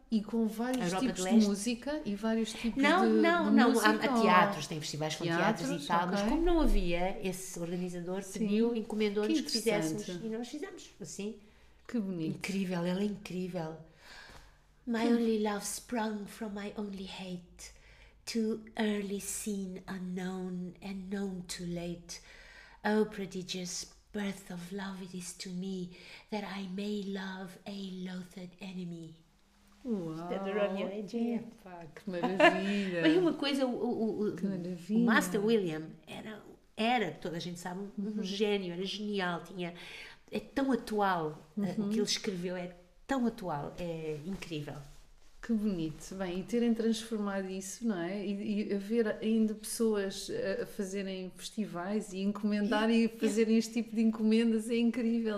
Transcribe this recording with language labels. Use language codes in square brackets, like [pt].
[pt] E com vários Europa tipos de música e vários tipos não, música, há teatros, tem festivais com teatros e tal, mas como não havia, esse organizador pediu, encomendou-nos que fizéssemos e nós fizemos, assim. Que bonito. Incrível, ela é incrível. [en] My only love sprung from my only hate. Too early seen, unknown, and known too late. Oh, prodigious birth of love it is to me, that I may love a loathed enemy. Uau! The Romeo and [pt] Juliet. Que maravilha! Uma coisa, o Master William era, toda a gente sabe, um gênio, era genial. É tão atual, o que ele escreveu é tão atual, é incrível. Que bonito. Bem, e terem transformado isso, não é? E haver ainda pessoas a fazerem festivais e encomendar e fazerem este tipo de encomendas é incrível.